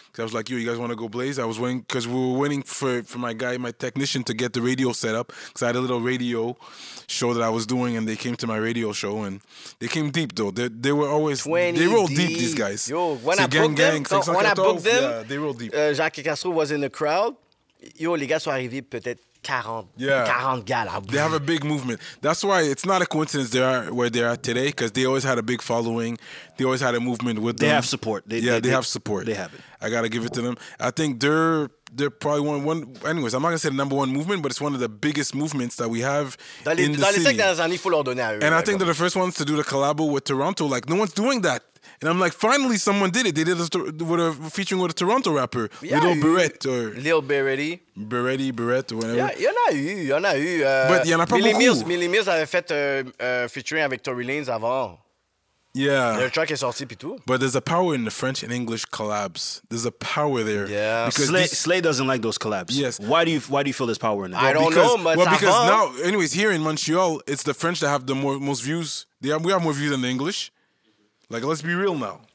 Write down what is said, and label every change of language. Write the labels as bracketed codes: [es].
[en] I was like, yo, you guys want to go Blaze? I was waiting because we were waiting for my guy, my technician, to get the radio set up because I had a little radio show that I was doing and they came to my radio show and they came deep, though. They were always, they roll deep, these guys. Yo, when I booked them, they roll deep. Jacques Castro was in the crowd. [fr] Yo, les gars sont arrivés peut-être 40, yeah. 40 gars là. [en] They have a big movement. That's why it's not a coincidence they are where they are today because they always had a big following. They always had a movement with them. They have support. They have support. They have it. I got to give it to them. I think they're probably one. Anyways, I'm not going to say the number one movement, but it's one of the biggest movements that we have in the city. [fr] Dans les 5 années, il faut leur donner à eux. [en] And I think they're the first ones to do the collabo with Toronto. Like, no one's doing that. And I'm like, finally, someone did it. They did it featuring with a Toronto rapper, yeah, Lil Beret. Beretti, Beret, or whatever. [fr] Il y en a eu. [en] But [fr] il y en a pas beaucoup. Millie Mills avait fait featuring avec Tory Lanez avant. [en] Yeah. [fr] Le track est sorti, puis tout. [en] But there's a power in the French and English collabs. There's a power there. Yeah. Because Slay doesn't like those collabs. Yes. Why do you feel there's power in it? I don't know, but now, anyways, here in Montreal, it's the French that have the most views. We have more views than the English. Like, let's be real now.